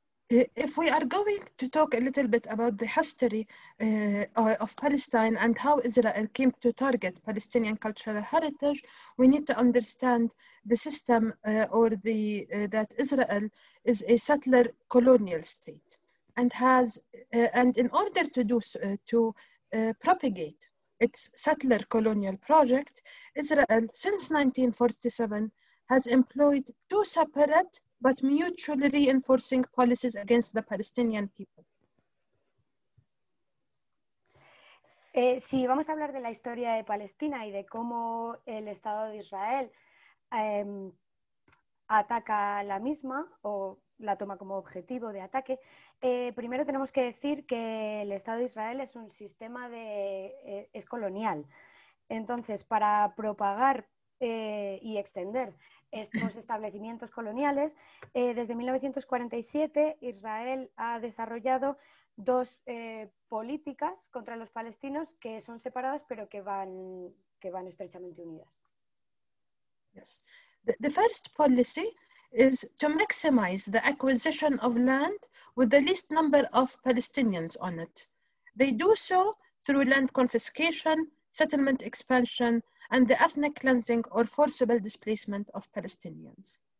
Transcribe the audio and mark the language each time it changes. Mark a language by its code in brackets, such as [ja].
[en] If we are going to talk a little bit about the history of Palestine and how Israel came to target Palestinian cultural heritage, we need to understand the system that Israel is a settler colonial state and has, and in order to do so, to propagate its settler colonial project, Israel, since 1947, has employed two separate but mutually reinforcing policies against the Palestinian people. [es] Sí, vamos a hablar de la historia de Palestina y de cómo el Estado de Israel ataca la misma o la toma como objetivo de ataque. Primero tenemos que decir que el Estado de Israel es un sistema es colonial. Entonces, para propagar y extender estos establecimientos coloniales, desde 1947 Israel ha desarrollado dos políticas contra los palestinos que son separadas pero que van estrechamente unidas. [en] Yes. The first policy is to maximize the acquisition of land with the least number of Palestinians on it. They do so through land confiscation, settlement expansion, and the ethnic cleansing or forcible displacement of Palestinians.